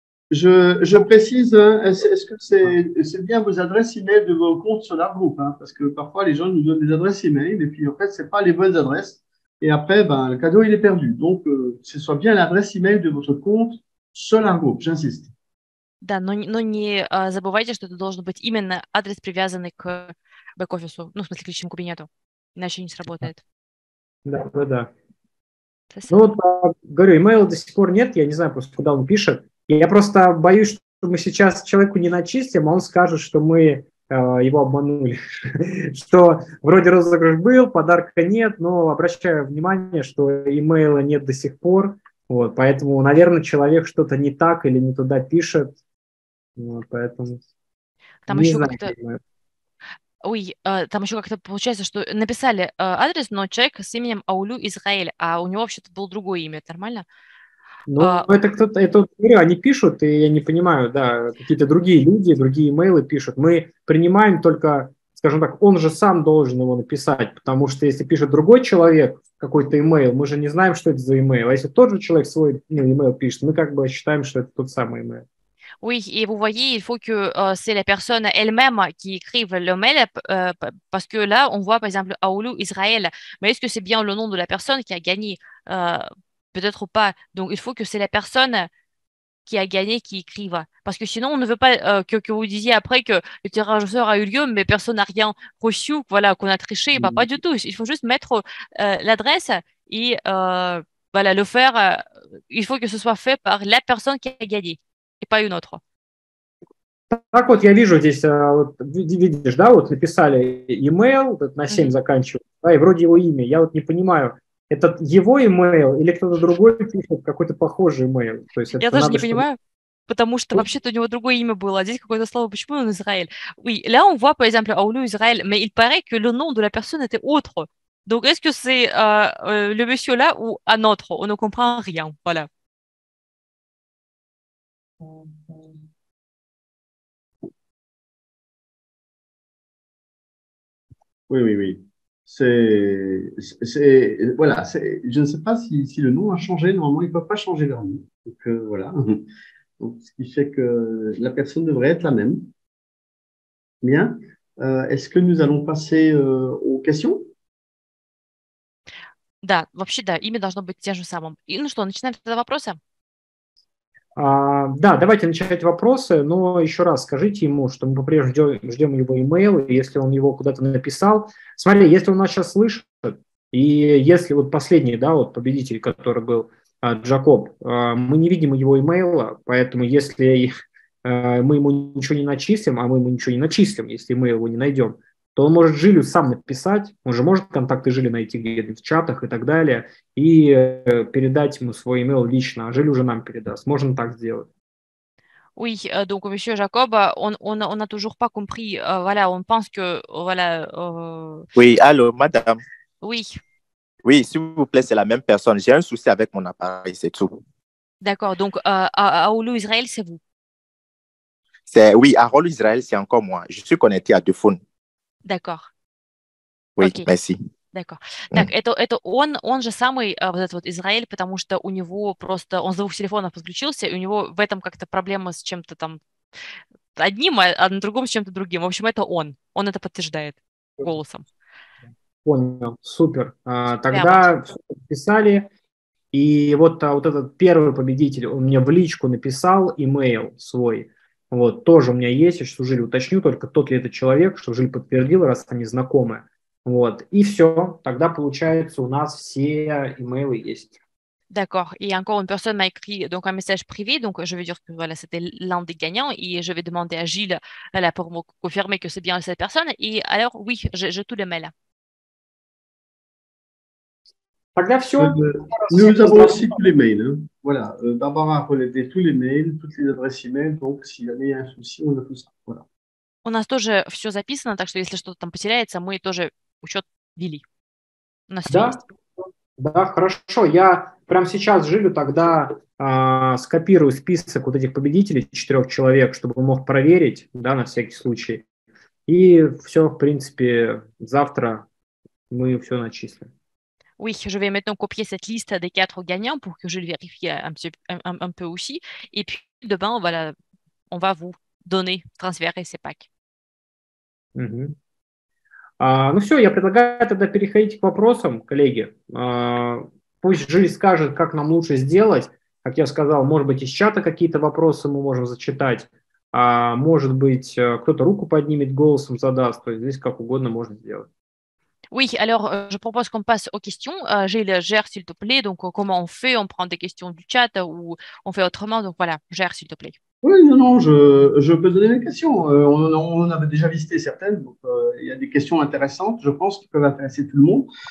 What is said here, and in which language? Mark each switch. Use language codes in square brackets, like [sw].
[fr] Je précise, hein, est-ce que c'est bien vos adresses email de vos comptes sur la groupe, hein, parce que parfois les gens nous donnent des adresses email et puis en fait c'est pas les bonnes adresses et après ben le cadeau il est perdu. Donc ce soit bien l'adresse email de votre compte sur la groupe, j'insiste. [ru] Да, но не забывайте, что это должен быть именно адрес привязанный к бэк-офису, ну в смысле к личному кабинету, иначе не сработает. Да. Ну вот, говорю, имейла до сих пор нет, я не знаю просто, куда он пишет. Я просто боюсь, что мы сейчас человеку не начистим, а он скажет, что мы его обманули. Что вроде розыгрыш был, подарка нет, но обращаю внимание, что имейла нет до сих пор. Вот, поэтому, наверное, человек что-то не так или не туда пишет. Вот, поэтому там не знаю, как-то... Ой, там еще как-то получается, что написали адрес, но человек с именем Аулю Израиль, а у него вообще-то было другое имя, это нормально? Ну, это кто-то, это говорю, они пишут, и я не понимаю, да, какие-то другие люди, другие имейлы пишут. Мы принимаем только, скажем так, он же сам должен его написать, потому что если пишет другой человек какой-то имейл, мы же не знаем, что это за имейл. А если тот же человек свой имейл пишет, мы как бы считаем, что это тот самый имейл. [fr] Oui, et vous voyez, il faut que c'est la personne elle-même qui écrive le mail, parce que là, on voit par exemple Aoulou Israël, mais est-ce que c'est bien le nom de la personne qui a gagné? Peut-être pas. Donc, il faut que c'est la personne qui a gagné qui écrive. Parce que sinon, on ne veut pas que vous disiez après que le tirage au sort a eu lieu, mais personne n'a rien reçu, voilà, qu'on a triché. Mm-hmm. Bah, pas du tout. Il faut juste mettre l'adresse et voilà, le faire. Il faut que ce soit fait par la personne qui a gagné. [ru] И пою на утро. Так вот, я вижу здесь, вот, видишь, да, вот написали email, вот, на 7 mm-hmm. заканчиваю, да, и вроде его имя. Я вот не понимаю, это его email или кто-то другой пишет какой-то похожий email. То есть, я тоже не понимаю, потому что вообще-то у него другое имя было, а здесь какое-то слово, почему он Израиль? [fr] Oui, là on voit, par exemple, Aulu Israël, mais il paraît que le nom de la personne était autre. Donc, est-ce que c'est le monsieur là ou un autre? On ne comprend rien, voilà. Oui. C'est voilà. C'est, je ne sais pas si le nom a changé. Normalement, il ne peut pas changer leur nom. Donc voilà. Donc, ce qui fait que la personne devrait être la même. Bien. Est-ce que nous allons passer aux questions? [ru] Да, вообще да. Имя должно быть тем же самым. И ну что, начинаем тогда вопросы? Да, давайте начать вопросы, но еще раз скажите ему, что мы по-прежнему ждем его имейл, если он его куда-то написал. Смотри, если он нас сейчас слышит, и если вот последний, да, вот победитель, который был, Джакоб, мы не видим его имейла, поэтому если мы ему ничего не начислим, а мы ему ничего не начислим, если мы его не найдем, то он может Жилю сам написать, он же может контакты Жили найти где-то в чатах и так далее, и передать ему свой имейл лично, а Жили уже нам передаст. Можно так сделать. [fr] Oui, donc monsieur Jacob, on a toujours pas compris, voilà, on pense que, voilà... Oui, allô, madame. Oui. Oui, s'il vous plaît, c'est la même personne, j'ai un souci avec mon appareil, c'est tout. D'accord, donc Aoulou Israël, c'est vous? Oui, Aoulou Israël, c'est encore moi, je suis connecté à deux phones. D'accord. Oui, okay. Merci. D'accord. [ru] Так, это он же самый, вот этот вот Израиль, потому что у него просто, он с двух телефонов подключился, и у него в этом как-то проблема с чем-то там одним, а на другом с чем-то другим. В общем, это он. Он это подтверждает голосом. Понял. Супер. Тогда писали, и вот этот первый победитель, он мне в личку написал имейл свой. Вот, тоже у меня есть, я сейчас у Жили уточню, только тот ли это человек, что Жили подтвердил, раз они знакомы. Вот, и все, тогда получается у нас все имейлы есть. [fr] D'accord, et encore une personne m'a écrit donc un message privé, donc je veux dire que voilà, c'était l'un des gagnants, et je vais demander à Gilles voilà, pour me confirmer que c'est bien cette personne, et alors oui, j'ai tous les mails. [ru] Тогда все. [fr] Nous avons aussi tous les mails. Voilà. Barbara a relevé tous les mails, toutes les adresses email. Donc, s'il y a un souci, on a tout ça. Voilà. [ru] У нас тоже все записано, так что если что-то там потеряется, мы тоже учет вели. У нас да? Все есть. Да, хорошо. Я прямо сейчас Жилю тогда скопирую список вот этих победителей, 4 человек, чтобы мог проверить, да, на всякий случай. И все, в принципе, завтра мы все начислим. [fr] Oui, je vais maintenant copier cette liste des 4 gagnants pour que je le vérifie un peu aussi. Et puis, demain, on va vous donner, transférer ces packs. Mm-hmm. [ru] Ну все, я предлагаю тогда переходить к вопросам, коллеги. Пусть Жиль скажет, как нам лучше сделать. Как я сказал, может быть, из чата какие-то вопросы мы можем зачитать. Может быть, кто-то руку поднимет, голосом задаст. То есть здесь как угодно можно сделать. [fr] Oui, alors je propose qu'on passe aux questions. Gilles, gère s'il te plaît. Donc, comment on fait? On prend des questions du chat ou on fait autrement? Donc voilà, gère s'il te plaît. Oui, non, je peux donner mes questions. On avait déjà visité certaines. Donc, il y a des questions intéressantes, je pense, qui peuvent intéresser tout le monde.